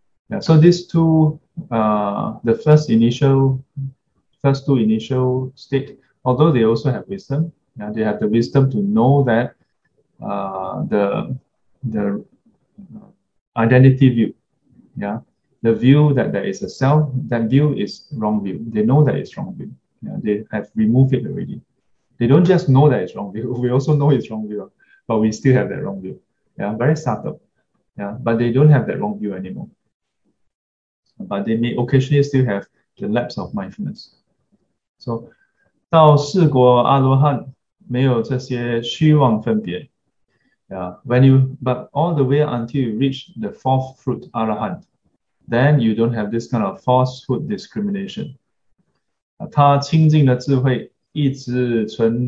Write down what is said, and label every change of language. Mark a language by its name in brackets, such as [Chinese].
[English] Yeah, so these two, the first two initial state, although they also have wisdom, yeah, they have the wisdom to know that the identity view, yeah, the view that there is a self, that view is wrong view. They know that it's wrong view. Yeah, they have removed it already. They don't just know that it's wrong view. We also know it's wrong view, but we still have that wrong view. Yeah, very subtle. Yeah, but they don't have that wrong view anymore. But they may occasionally still have the lapse of mindfulness. [Chinese] So, 到四果阿罗汉没有这些虚妄分别. [English] Yeah, but all the way until you reach the fourth fruit, Arahant, then you don't have this kind of falsehood discrimination. [Chinese] 他清净的智慧一直存在而不失掉.